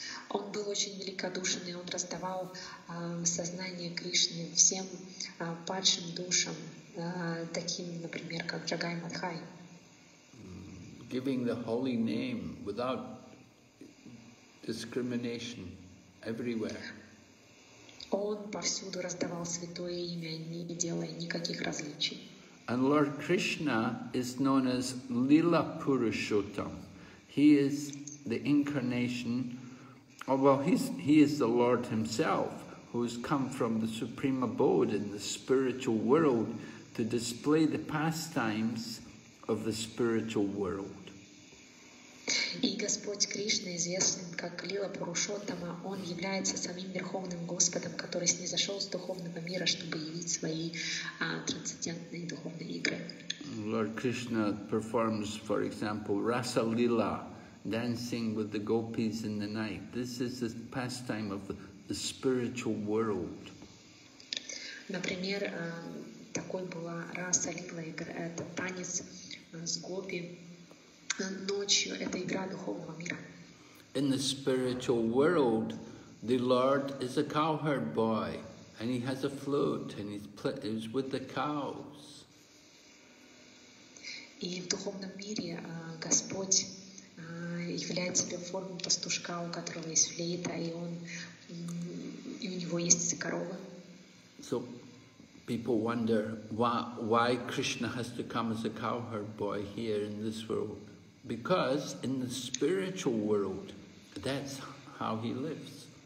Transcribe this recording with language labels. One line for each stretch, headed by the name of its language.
Russian: Он был очень великодушен, и он раздавал сознание Кришны всем падшим душам, таким, например, как Джагай Мадхай.
English: Giving the holy name without discrimination everywhere.
Russian: Он повсюду раздавал святое имя, не делая никаких различий.
English: And Lord Krishna is known as Lila Purushottam. He is the incarnation. Oh, well, he is the Lord himself who has come from the supreme abode in the spiritual world to display the pastimes of the spiritual world.
Russian: И Господь Кришна известен как Лила Пурушоттама. Он является самим верховным Господом, который снизошел с духовного мира, чтобы явить свои трансцендентные духовные игры.
English: Lord Krishna performs, for example, Rasa Lila, dancing with the gopis in the night. This is the pastime of the spiritual world.
Russian: Например, такой была раса лила, это танец с гопи ночью, это игра духовного мира.
English: In the spiritual world, the Lord is a cowherd boy, and he has a flute, and he's with the cows.
Russian: И в духовном мире Господь являет себя в форме пастушка, у которого есть флейта, и он и у него есть корова.
English: So people wonder why Krishna has to come as a cowherd boy here in this world. Because in the spiritual world, that's how he lives.